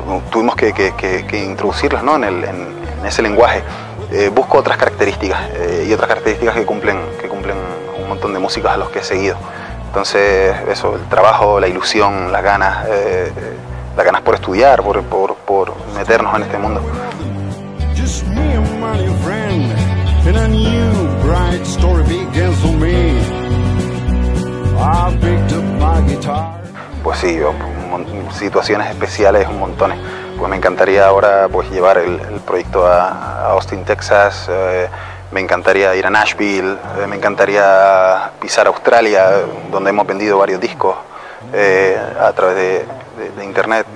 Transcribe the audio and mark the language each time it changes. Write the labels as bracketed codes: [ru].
[es] Tuvimos que introducirlos, ¿no?, en ese lenguaje. Busco otras características, y otras características que cumplen un montón de músicas a los que he seguido. Entonces, eso, el trabajo, la ilusión, las ganas por estudiar, por meternos en este mundo. [en] Just me and my friend, and a new bright story begins for me. I picked up my guitar. [es] Pues sí, situaciones especiales un montón. Pues me encantaría ahora, pues, llevar el proyecto a Austin, Texas. Me encantaría ir a Nashville, me encantaría pisar Australia, donde hemos vendido varios discos a través de internet.